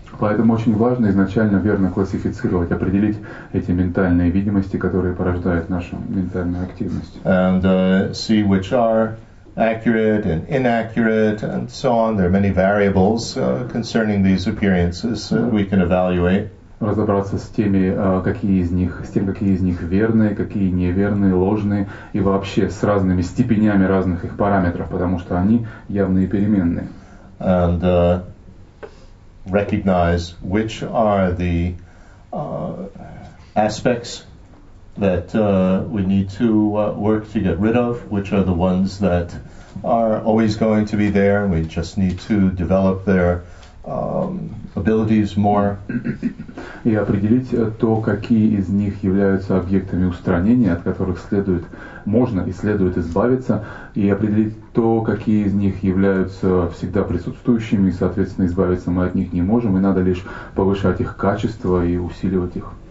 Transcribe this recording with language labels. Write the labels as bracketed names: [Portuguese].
[Russian] Поэтому очень важно изначально верно классифицировать, определить эти ментальные видимости, которые порождают нашу ментальную активность. [English] And see which are accurate and inaccurate and so on. There are many variables concerning these appearances that we can evaluate. [Russian] Разобраться с теми, какие из них верные, какие неверные, ложные, и вообще с разными степенями разных их параметров, потому что они явные переменные. [English] And recognize which are the aspects that we need to work to get rid of, which are the ones that are always going to be there, and we just need to develop their abilities more. [Russian] И определить то, какие из них являются объектами устранения, от которых следует, можно и следует избавиться, и определить то, какие из них являются всегда присутствующими, и, соответственно, избавиться мы от них не можем, и надо лишь повышать их качество и усиливать их.